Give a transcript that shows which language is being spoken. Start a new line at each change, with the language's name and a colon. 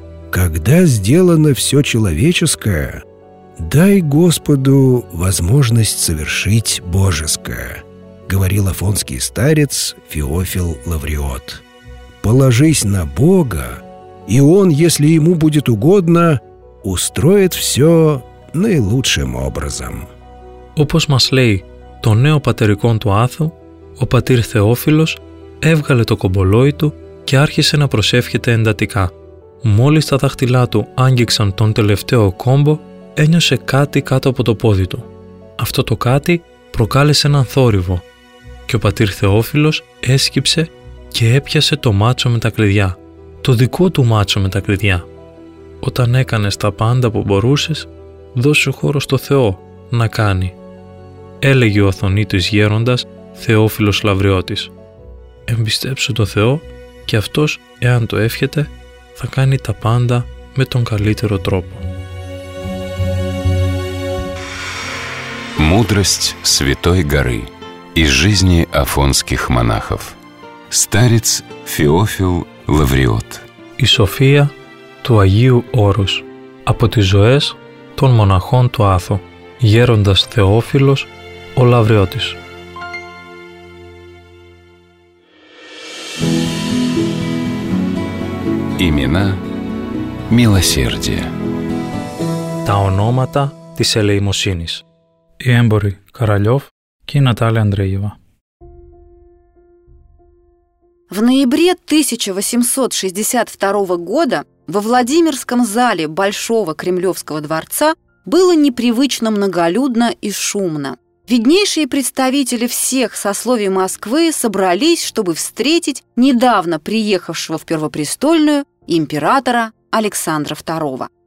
Russian: Когда сделано все человеческое, дай Господу возможность совершить божеское, говорил афонский старец Феофил Лавриот. Положись на Бога, и Он, если Ему будет угодно, устроит все наилучшим образом.
Greek: Όπως μας λέει το νέο πατερικόν του Άθου, ο πατήρ Θεόφιλος έβγαλε το κομπολόι του και άρχισε να προσεύχεται εντατικά. Μόλις τα δάχτυλά του άγγιξαν τον τελευταίο κόμπο, ένιωσε κάτι κάτω από το πόδι του. Αυτό το κάτι προκάλεσε έναν θόρυβο και ο πατήρ Θεόφιλος έσκυψε και έπιασε το μάτσο με τα κλειδιά, το δικό του μάτσο με τα κλειδιά. Όταν έκανες τα πάντα που μπορούσες, δώσε χώρο στο Θεό να κάνει, έλεγε ο Αθωνίτης γέροντας Θεόφιλος Λαβριώτης. Εμπιστέψου το Θεό και αυτός, εάν το εύχεται, θα κάνει τα πάντα με τον καλύτερο τρόπο.
Russian: Мудрость Святой Горы из жизни афонских монахов. Старец Феофил Лавриот.
Greek: И София του Αγίου Όρους από τις ζωές των μοναχών του Άθο, γέροντας Θεόφιλος ο Λαβριώτης.
Russian: Имена милосердия.
Greek: Τα ονόματα της ελεημοσύνης. Οι έμποροι Καραλιόφ και η Νατάλια Αντρέγεβα.
Russian: В ноябре 1862 года во Владимирском зале Большого Кремлевского дворца было непривычно многолюдно и шумно. Виднейшие представители всех сословий Москвы собрались, чтобы встретить недавно приехавшего в Первопрестольную императора Александра II.